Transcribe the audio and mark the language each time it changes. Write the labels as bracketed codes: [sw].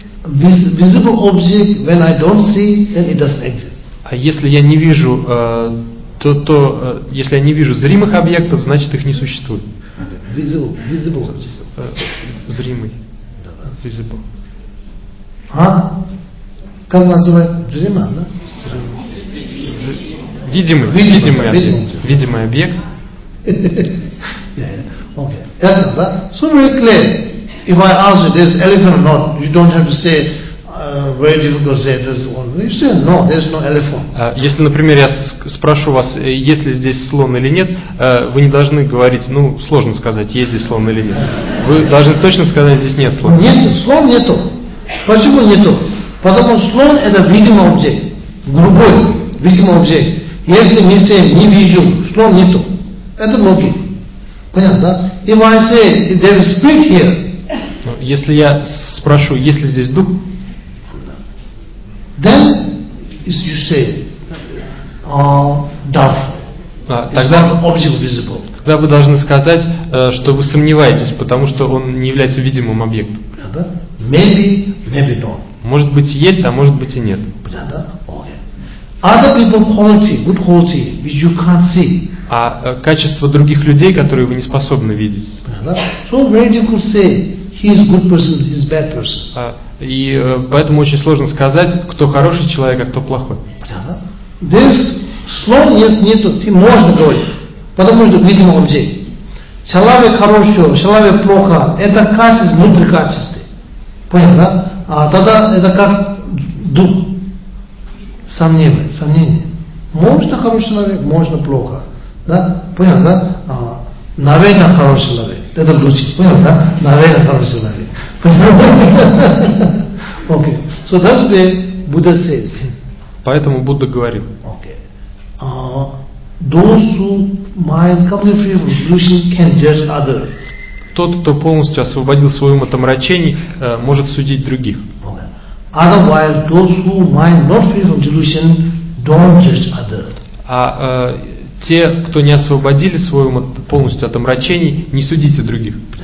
[en] Visible object when I don't see, then it doesn't exist. [ru] А если я не вижу, если я не вижу зримых объектов, значит их не существует. [en] Visible. [ru] Зримый. Да. [en] Visible. [ru] А? Как называется? Зрима, да? видимый объект. [en] Yeah, yeah. Okay. That's right. So very clear. If I ask you, there's elephant or not, you don't have to say very difficult. Say there's one. You say no, there's no elephant. [ru] Если, например, я спрошу вас, есть ли здесь слон или нет, вы не должны говорить. Ну, сложно сказать, есть здесь слон или нет. Вы должны точно сказать, здесь нет слона. Нет, слон нету. Почему нету? Потому что слон это видимый объект, грубой видимый объект. Если мы себе не видим, слон нету. Это логика. [en] If I say there is spirit here, [ru] если я спрошу, есть ли здесь дух, [en] then you say doubt. [ru] Тогда [en] object visible. [ru] Тогда вы должны сказать, что вы сомневаетесь, потому что он не является видимым объектом. Maybe, maybe not. Может быть есть, а может быть и нет. Понятно? Okay. [en] Other people quality, good quality, which you can't see. [ru] А качество других людей, которые вы не способны видеть. [en] So very difficult to say he is good person, he is bad person. [ru] И поэтому очень сложно сказать, кто хороший человек, а кто плохой. [en] This [ru] слон нету, ты можешь говорить, потому что видимо людей. Человек хороший, человек плохо, это качество, внутри качества. Понятно? А тогда это как дух. Сомнение. Можно хороший человек, можно плохо. Да? Понял, да? Наверное, хороший человек. Это лучше. Понял, да? Наверное, хороший человек. [en] Okay. So that's the Buddha says. [ru] Поэтому Будда говорит. [en] Okay. Those who mind completely free from delusion can judge others. [ru] Тот, кто полностью освободил свой ум от омрачений, может судить других. [en] Okay. Otherwise, those who mind not free from delusion don't judge others. [ru] Те, кто не освободили свой ум полностью от омрачений, не судите других.